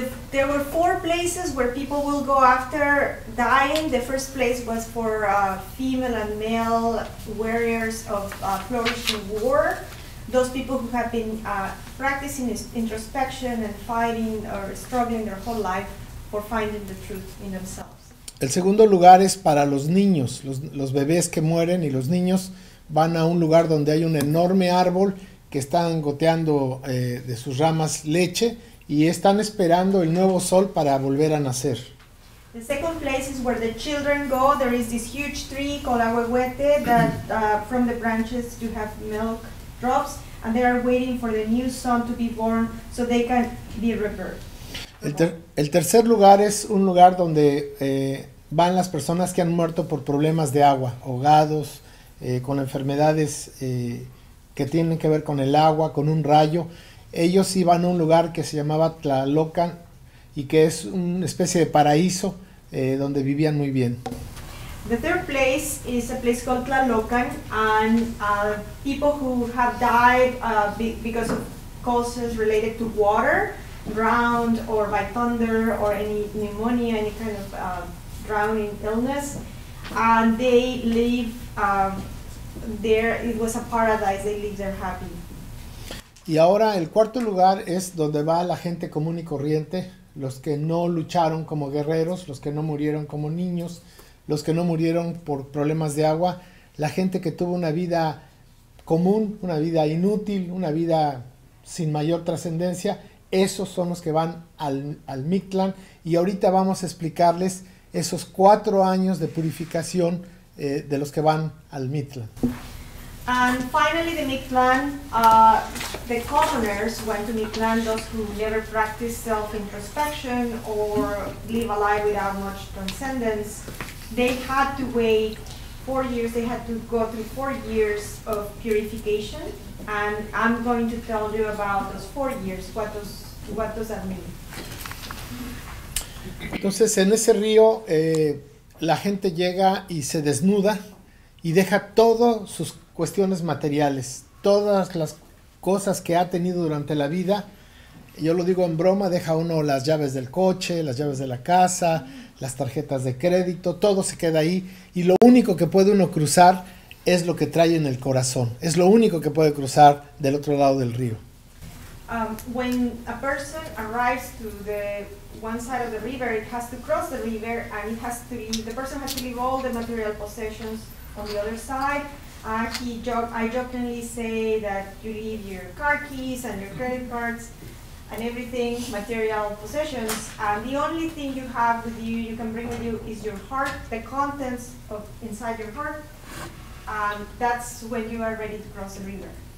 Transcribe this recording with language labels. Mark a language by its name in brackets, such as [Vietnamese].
[English] There were four places where people will go after dying. The first place was for female and male warriors of flourishing war. Those people who have been practicing introspection and fighting or struggling their whole life for finding the truth in themselves. [Spanish] El segundo lugar es para los niños, los bebés que mueren, y los niños van a un lugar donde hay un enorme árbol que están goteando de sus ramas leche y están esperando el nuevo sol para volver a nacer. [English] The second place is where the children go. There is this huge tree called Ahuehuete that from the branches you have milk drops, and they are waiting for the new sun to be born so they can be rebirthed. [Spanish] El tercer lugar es un lugar donde van las personas que han muerto por problemas de agua, ahogados, con enfermedades que tienen que ver con el agua, con un rayo. Ellos iban a un lugar que se llamaba Tlalocan y que es una especie de paraíso donde vivían muy bien. [English] The third place is a place called Tlalocan, and people who have died because of causes related to water, drowned or by thunder or any pneumonia, any kind of drowning illness, and they live there. It was a paradise. They live there happy. [Spanish] Y ahora el cuarto lugar es donde va la gente común y corriente, los que no lucharon como guerreros, los que no murieron como niños, los que no murieron por problemas de agua, la gente que tuvo una vida común, una vida inútil, una vida sin mayor trascendencia. Esos son los que van al Mictlán, y ahorita vamos a explicarles esos cuatro años de purificación de los que van al Mictlán. [English] And finally, the Mictlán, the commoners went to Mictlán, those who never practiced self-introspection or live a life without much transcendence. They had to wait 4 years, they had to go through 4 years of purification. And I'm going to tell you about those 4 years. What does that mean? [Spanish] Entonces, en ese río, la gente llega y se desnuda y deja todas sus cuestiones materiales, todas las cosas que ha tenido durante la vida. Yo lo digo en broma, deja uno las llaves del coche, las llaves de la casa, las tarjetas de crédito, todo se queda ahí y lo único que puede uno cruzar es lo que trae en el corazón. Es lo único que puede cruzar del otro lado del río. [English] When a person arrives to the one side of the river, it has to cross the river and it has to leave, the person has to leave all the material possessions on the other side. I jokingly say that you leave your car keys and your credit cards and everything, material possessions, and the only thing you have with you, you can bring with you, is your heart, the contents of inside your heart, and that's when you are ready to cross the river.